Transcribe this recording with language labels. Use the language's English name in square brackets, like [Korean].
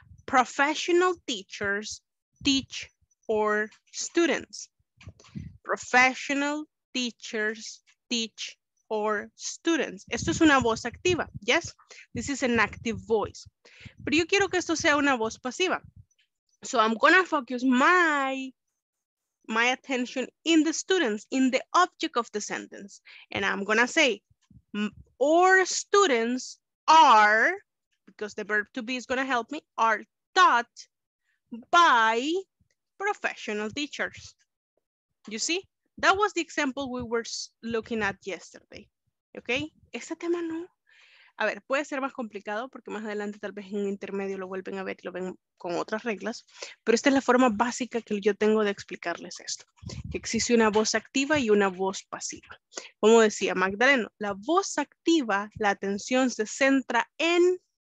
[English] Professional teachers teach our students. Professional teachers teach our students. [Spanish] Esto es una voz activa. [English] Yes, this is an active voice. [Spanish] Pero yo quiero que esto sea una voz pasiva. [English] So I'm gonna focus my attention in the students, in the object of the sentence. And I'm gonna say, our students are, because the verb to be is gonna help me, are taught by professional teachers. You see, that was the example we were looking at yesterday. [Spanish] Okay, este tema no. A ver, puede ser más complicado porque más adelante tal vez en un intermedio lo vuelven a ver y lo ven con otras reglas. Pero esta es la forma básica que yo tengo de explicarles esto. Que existe una voz activa y una voz pasiva. Como decía Magdaleno, la voz activa, la atención se centra en...